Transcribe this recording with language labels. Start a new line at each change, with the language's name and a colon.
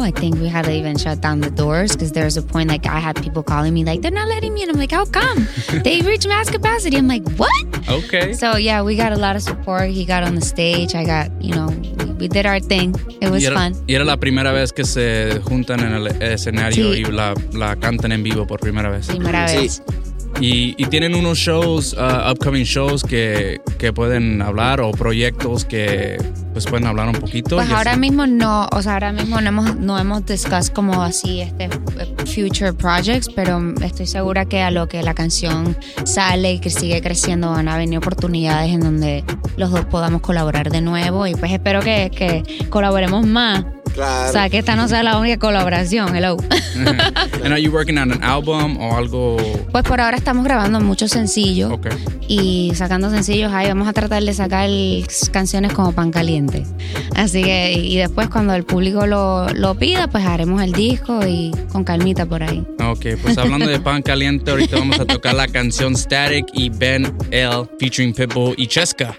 English: I think we had to even shut down the doors because there was a point, like, I had people calling me like, they're not letting me in. I'm like, how come? They reached mass capacity. I'm like, what? Okay. So yeah, we got a lot of support. He got on the stage. I got, you know, we did our thing. It was fun.
Spanish: Y era la primera vez que se juntan en el escenario y la cantan en vivo por primera vez. Primera vez. Y tienen unos shows,
English: upcoming shows
Spanish: que pueden hablar, o proyectos que pues pueden hablar un poquito. Pues ahora mismo no, o sea, ahora mismo no hemos
English: discussed
Spanish: como así
English: future projects,
Spanish: pero estoy segura que a lo que la canción sale y que sigue creciendo van a venir oportunidades en donde los dos podamos colaborar de nuevo y pues espero que colaboremos más. Claro. O sea, que esta no sea la única colaboración.
English: Hello. And are you working on an album
Spanish: o algo? Pues por ahora estamos grabando muchos sencillos.
English: Okay.
Spanish: Y sacando sencillos, ahí vamos a tratar de sacar canciones como pan caliente. Así que, y después cuando el público lo pida, pues haremos el disco y con calmita por ahí. Ok, pues hablando de pan caliente, ahorita vamos a tocar la canción Static y Ben L featuring Pitbull y Cheska.